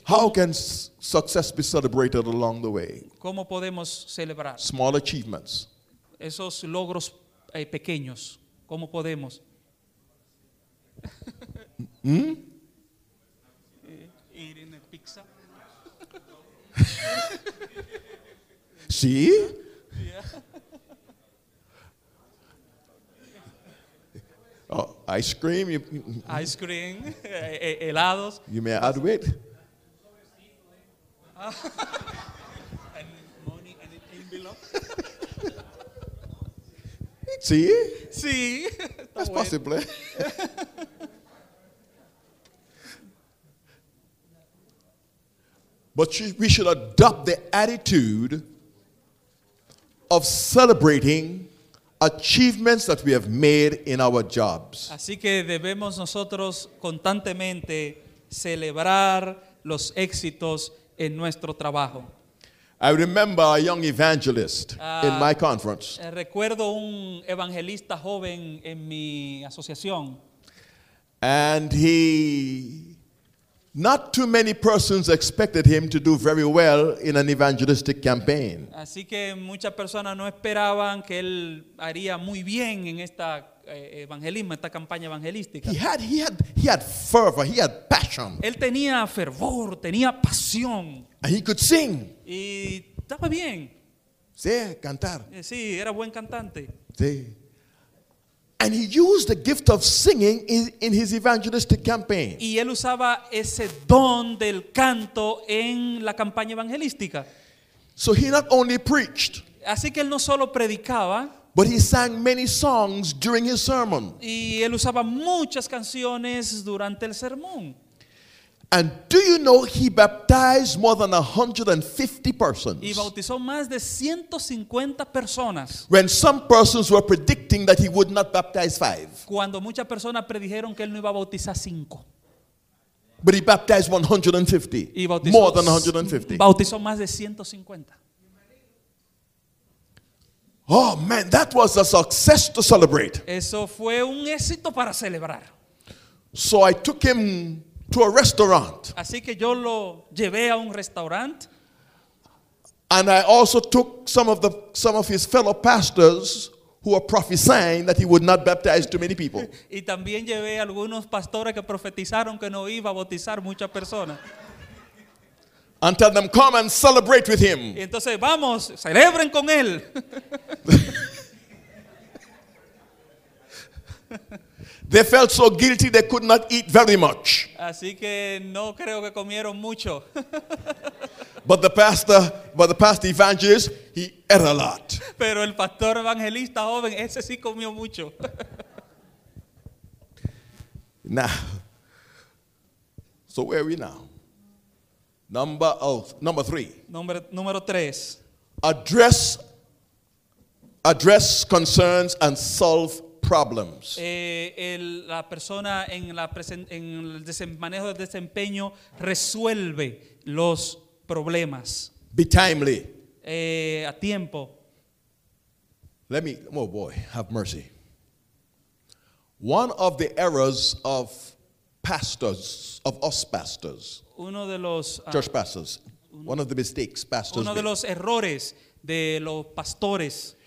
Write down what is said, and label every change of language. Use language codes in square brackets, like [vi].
[en] How can success be celebrated along the way? [es] ¿Cómo podemos celebrar? [en] Small achievements. [es] Esos logros pequeños, ¿cómo podemos? Hmm? [en] Eating a pizza. [es] ¿Sí? [en] Yeah. Oh, ice cream. Ice cream, helados. You may add weight. And money and it came below. [es] ¿Sí? Sí. [en] That's possible. But we should adopt the attitude of celebrating achievements that we have made in our jobs. [es] Así que debemos nosotros constantemente celebrar los éxitos en nuestro trabajo. [en] I remember a young evangelist in my conference. [es] Recuerdo un evangelista joven en mi asociación. [en] And he, not too many persons expected him to do very well in an evangelistic campaign. [es] Así que muchas personas no esperaban que él haría muy bien en esta evangelismo, esta campaña evangelística. [en] He had fervor, he had passion. [es] Él tenía fervor, tenía pasión. [en] And he could sing. [es] Y estaba bien. Sí, cantar. Sí, era buen cantante. Sí. [en] And he used the gift of singing in his evangelistic campaign. [es] Y él usaba ese don del canto en la campaña evangelística. [en] So he not only preached. [es] Así que él no solo predicaba. [en] But he sang many songs during his sermon. [es] Y él usaba muchas canciones durante el sermón. [en] And do you know he baptized more than 150 persons? [es] Y bautizó más de 150 personas. [en] When some persons were predicting that he would not baptize 5. [es] Cuando muchas personas predijeron que él no iba a bautizar 5. [en] But he baptized 150. [es] Y bautizó [en] more than 150. [es] Bautizó más de 150. [en] Oh man, that was a success to celebrate. [es] Eso fue un éxito para celebrar. [en] So I took him to a restaurant. [es] Así que yo lo llevé a un restaurante. [en] And I also took some of his fellow pastors who were prophesying that he would not baptize too many people. [es] Y también llevé algunos pastores que profetizaron que no iba a bautizar muchas personas. [en] And tell them, come and celebrate with him. [es] Y entonces, vamos, celebren con él. [en] They felt so guilty they could not eat very much. [es] Así que no creo que comieron mucho. [en] But the pastor evangelist, he ate a lot. [es] Pero el pastor evangelista joven, ese sí comió mucho. [en] Now, so where are we now? Number three. [es] Número tres. [en] Address concerns and solve problems. [es] La persona en el manejo del desempeño resuelve los problemas. [en] Be timely. [es] A tiempo. [en] Have mercy. One of the errors of pastors, of us pastors. [es] Uno de los [en] church pastors. One of the mistakes pastors. [es] Uno de los errores de los pastores.